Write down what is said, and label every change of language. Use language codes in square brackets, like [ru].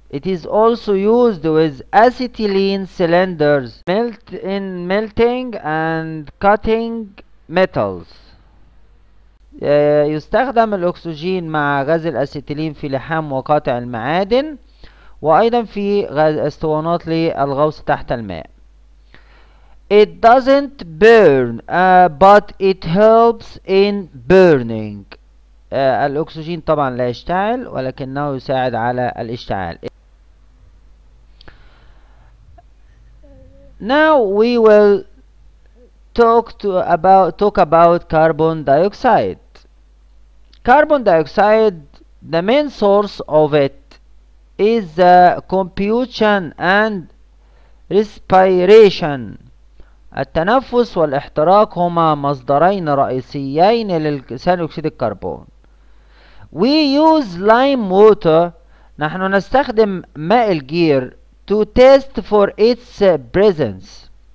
[en] It is also used with acetylene cylinders melting and cutting metals. [ar] يستخدم الأكسجين مع غاز الأسيتيلين في لحام وقاطع المعادن، وأيضا في اسطوانات للغوص تحت الماء. [en] It doesn't burn but it helps in burning. [ar] الأكسجين طبعا لا يشتعل ولكنه يساعد على الاشتعال. [en] Now we will talk about carbon dioxide. Carbon dioxide, the main source of it is the combustion and respiration. [ar] التنفس والاحتراق هما مصدرين رئيسيين لثاني أكسيد الكربون. [en] We use lime water. [ar] نحن نستخدم ماء الجير [en] to test for its presence.